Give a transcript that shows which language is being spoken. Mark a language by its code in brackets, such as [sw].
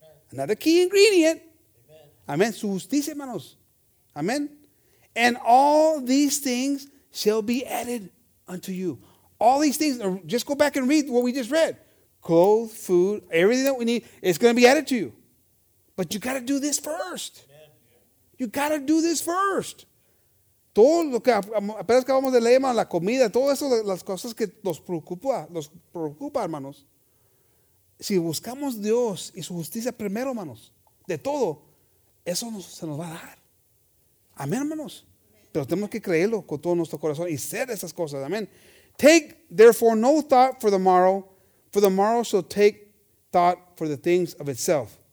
[en] Another key ingredient. Amen. [es] Su justicia, hermanos. [en] Amen. And all these things shall be added unto you. All these things, just go back and read what we just read. Clothes, food, everything that we need is going to be added to you. But you got to do this first. Amen. You got to do this first. [es] Todo lo que apenas acabamos de leer, hermano, la comida, todo eso, las cosas que nos preocupa, hermanos. Si buscamos Dios y su justicia primero, hermanos, de todo, eso se nos va a dar. Amén, hermanos. Pero tenemos que creerlo con todo nuestro corazón y ser esas cosas. Amén. [en] Take, therefore, no thought for the morrow shall take thought for the things of itself.